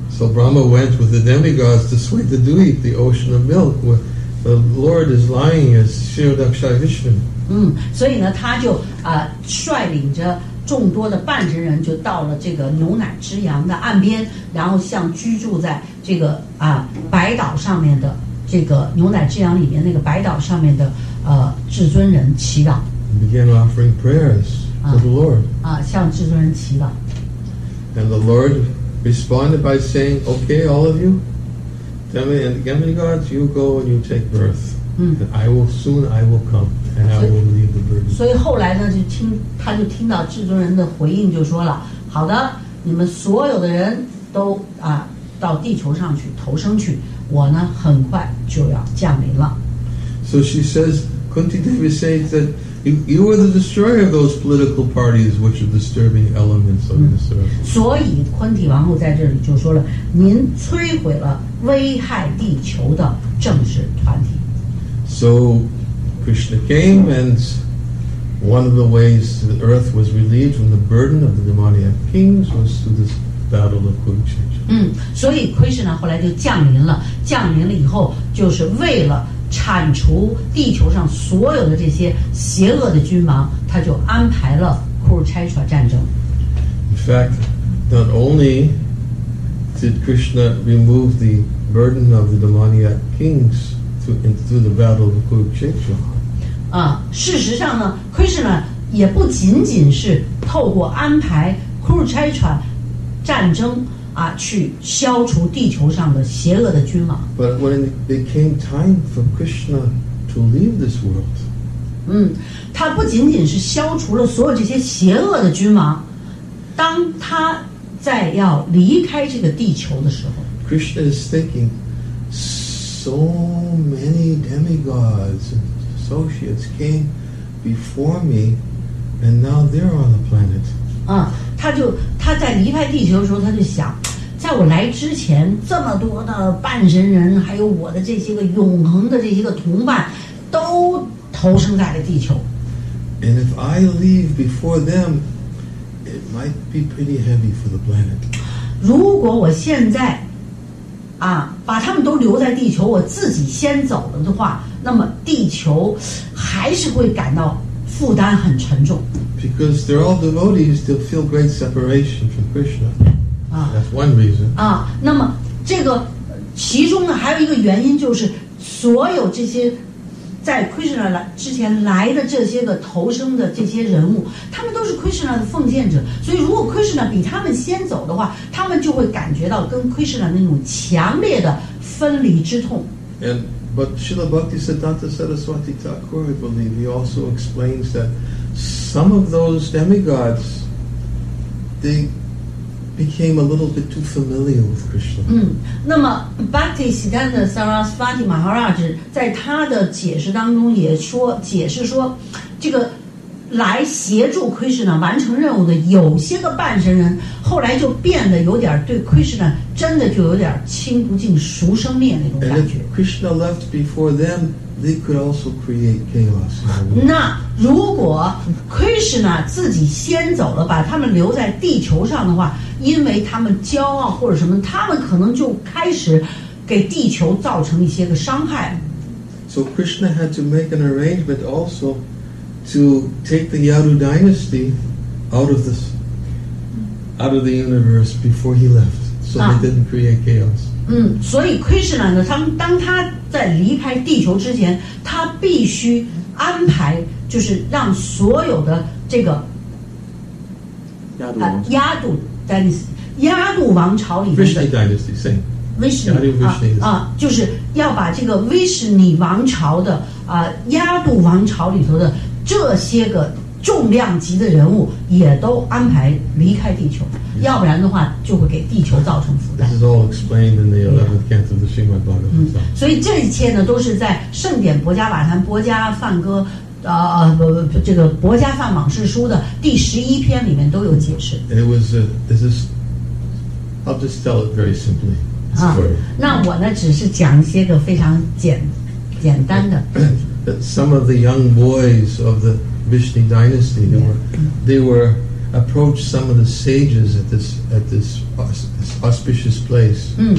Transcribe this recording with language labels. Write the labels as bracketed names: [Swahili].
[English] So Brahma went with the demigods to Svetadvipa, the ocean of milk, where the Lord is lying as Shirdakshai Vishnu. [Chinese] 所以呢，他就率领着众多的半神人就到了这个牛奶之洋的岸边，然后向居住在这个白岛上面的这个牛奶之洋里面那个白岛上面的至尊人祈祷。 [English] Began offering prayers to the Lord. [Chinese] 向至尊人祈祷。 [English] And the Lord responded by saying, okay, all of you, demigods, you go and you take birth. I will come and I will leave the burden. [Chinese] 所以后来他就听到制作人的回应就说了，好的，你们所有的人都啊到地球上去投生去，我呢很快就要降临了。 [English] So she says, Kunti Devi says that you are the destroyer of those political parties which are disturbing elements of this earth. [Chinese] 所以昆提王后在这里就说了，您摧毁了危害地球的政治团体。 [English] So Krishna came, and one of the ways the earth was relieved from the burden of the demoniac kings was through this battle of Kurukshetra. [Chinese] 嗯，所以 Krishna 后来就降临了，降临了以后就是为了铲除地球上所有的这些邪恶的君王，他就安排了 Kurukshetra 战争。 [English] In fact, not only did Krishna remove the burden of the demoniac kings through the battle of Kurukshetra. [Chinese] 啊，事实上呢 ，Krishna 也不仅仅是透过安排 Kurukshetra 战争。啊，去消除地球上的邪恶的君王。 [English] But when it came time for Krishna to leave this world, [Chinese] 他不仅仅是消除了所有这些邪恶的君王，当他在要离开这个地球的时候 [English] ，Krishna is thinking, so many demigods and associates came before me, and now they're on the planet. [Chinese] 他在离开地球的时候，他就想。在我来之前，这么多的半神人，还有我的这些个永恒的这些个同伴，都投生在了地球。 [English] And if I leave before them, it might be pretty heavy for the planet. [Chinese] 如果我现在，啊，把他们都留在地球，我自己先走了的话，那么地球还是会感到负担很沉重。 [English] Because they're all devotees, they'll feel great separation from Krishna. That's one reason. [Chinese] 啊，那么这个其中呢，还有一个原因就是，所有这些在 Krishna 之前来的这些个投生的这些人物，他们都是 Krishna 的奉献者，所以如果 Krishna 比他们先走的话，他们就会感觉到跟 Krishna 那种强烈的分离之痛。 [English] And but Srila Bhaktisiddhanta Saraswati Thakur, I believe, he also explains that some of those demigods, they became a little bit too familiar with Krishna. [Chinese] 那么 Bhakti Siddhanta Saraswati Maharaj 在他的解释当中也说，解释说，这个来协助 Krishna 完成任务的有些个半神人，后来就变得有点对 Krishna 真的就有点亲不近熟生灭那种感觉。 [English] And if Krishna left before them, they could also create chaos. [Chinese] 那如果 Krishna 自己先走了，把他们留在地球上的话。因为他们骄傲或者什么，他们可能就开始给地球造成一些个伤害。 [English] So Krishna had to make an arrangement also to take the Yadu dynasty out of the universe before he left, so they didn't create chaos. [Chinese] 所以 Krishna 呢，当他在离开地球之前，他必须安排，就是让所有的这个亚度。亚度王朝里面 [English] Vishnu dynasty same [Chinese] Vishnu 就是要把这个 Vishnu 王朝的亚度王朝里头的这些个重量级的人物也都安排离开地球、yes. 要不然的话就会给地球造成负担 [English] This is all explained in the 11th canto of the Srimad Bhagavatam [Chinese] 所以这一切呢都是在盛典薄伽瓦坛薄伽梵歌这个《薄伽梵往事书》的第十一篇里面都有解释。 [English] It was I'll just tell it very simply. [Chinese] 啊，那我呢，只是讲一些个非常简单的。 [English] That some of the young boys of the Vishnu dynasty they were approached some of the sages at this auspicious place.